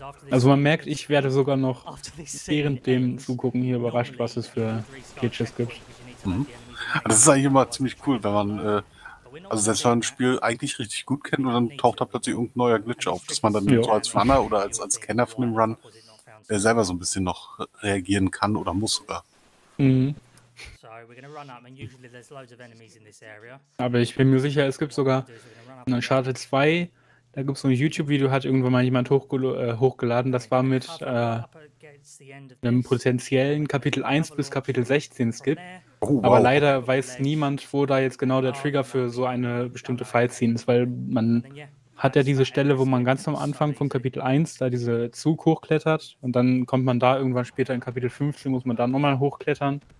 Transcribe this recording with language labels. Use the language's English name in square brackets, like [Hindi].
[German] Also man merkt, ich werde sogar noch während dem Zugucken hier überrascht, was es für Glitches gibt. Mhm. Das ist eigentlich immer ziemlich cool, wenn man also selbst wenn man ein Spiel eigentlich richtig gut kennt und dann taucht da plötzlich irgendein neuer Glitch auf, dass man dann so als Runner oder als Kenner von dem Run selber so ein bisschen noch reagieren kann oder muss sogar. Mhm. [English] We're gonna run up and usually there's loads of enemies in this area. [German] Aber ich bin mir sicher, es gibt sogar in Uncharted 2, da gibt es so ein YouTube-Video, hat irgendwann mal jemand hochgeladen, das war mit einem potenziellen Kapitel 1 bis Kapitel 16 Skip. Oh, wow. Aber leider weiß niemand, wo da jetzt genau der Trigger für so eine bestimmte Fallszene ist, weil man hat ja diese Stelle, wo man ganz am Anfang von Kapitel 1 da diese Zug hochklettert und dann kommt man da irgendwann später in Kapitel 15, muss man da nochmal hochklettern.